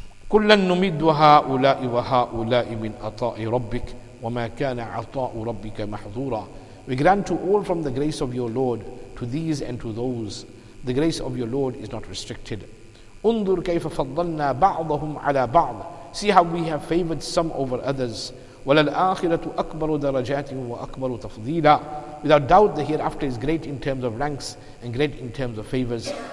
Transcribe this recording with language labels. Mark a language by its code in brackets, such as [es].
[ar] كُلَّنْ نُمِدُّ هَؤُلَاءِ وَهَؤُلَاءِ مِنْ أَطَاءِ رَبِّكَ وَمَا كَانَ عَطَاءُ رَبِّكَ مَحْظُورًا. [en] We grant to all from the grace of your Lord, to these and to those. The grace of your Lord is not restricted. [ar] انظر كيف فضلنا بعضهم على بعض. [en] See how we have favored some over others. [ar] وللآخرة أكبر درجات وأكبر تفضيلا. [en] Without doubt, the hereafter is great in terms of ranks and great in terms of favors.